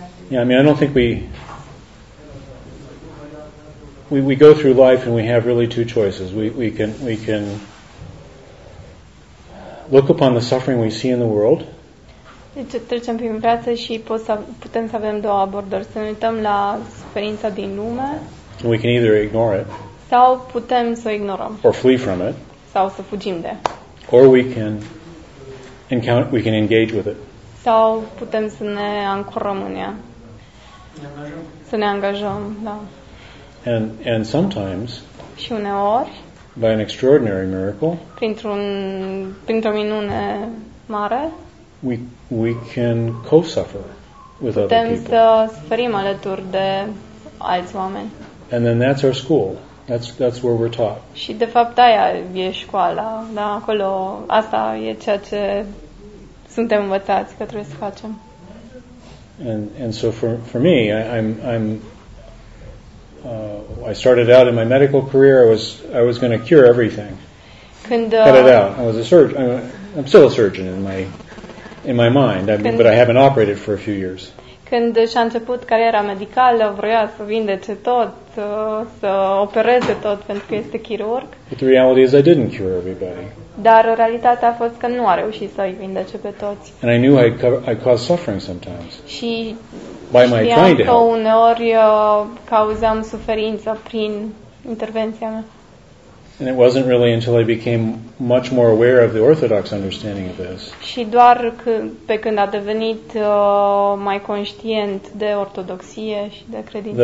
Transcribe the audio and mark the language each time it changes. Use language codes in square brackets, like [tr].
[en] Yeah, I mean, I don't think we go through life and we have really two choices. We can look upon the suffering we see in the world. [ro] Deci trecem prin viață și putem să avem două abordări. Să ne uităm la suferința din lume. [en] We can either ignore it. [ro] Sau putem să o ignorăm. [en] Or flee from it. [ro] Sau să fugim de. [en] Or we can engage with it. [ro] Sau putem să ne ancorăm în ea. Să ne angajăm, da. [en] And sometimes. [ro] Și uneori. [en] By an extraordinary miracle. [ro] Printr-o minune mare. [en] We can co-suffer with other [ro] putem [en] people. [ro] Să suferim alături de alți oameni. [en] And then that's our school. That's where we're taught. [ro] Și de fapt aia e școala, da, acolo. Asta e ceea ce suntem învățați că trebuie să facem. [en] And so for me, I'm I started out in my medical career. I was going to cure everything. [ro] Când [en] cut it out. I was a surgeon. I'm still a surgeon in my mind, but I haven't operated for a few years. [ro] Când și-a început cariera medicală, vrea să vindece tot, să opereze tot, pentru că este chirurg. [en] But the reality is I didn't cure everybody. [ro] Dar realitatea a fost că nu a reușit să-i vindece pe toți. [en] And I knew I caused suffering sometimes. [ro] Și [en] why am I trying to help? [ro] Și uneori cauzeam suferință prin intervenția mea. [en] And it wasn't really until I became much more aware of the Orthodox understanding of this. [ro] Și doar pe când a devenit mai conștient de ortodoxie și de credință,